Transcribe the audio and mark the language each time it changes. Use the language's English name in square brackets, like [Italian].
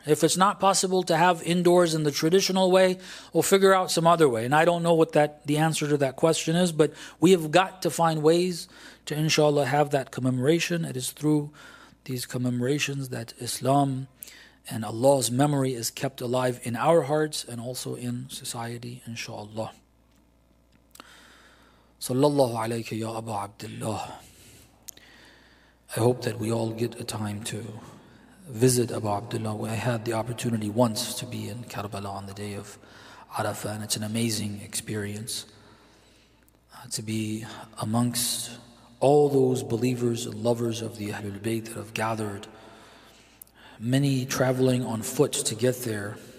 [English] If it's not possible to have indoors in the traditional way, we'll figure out some other way. And I don't know what that the answer to that question is, but we have got to find ways to, inshallah, have that commemoration. It is through these commemorations that Islam and Allah's memory is kept alive in our hearts and also in society, inshallah. [Arabic] صلى الله عليك يا أبا عبد الله. [English] I hope that we all get a time to visit Abu Abdullah. I had the opportunity once to be in Karbala on the day of Arafah, and it's an amazing experience to be amongst all those believers and lovers of the Ahlul Bayt that have gathered, many traveling on foot to get there.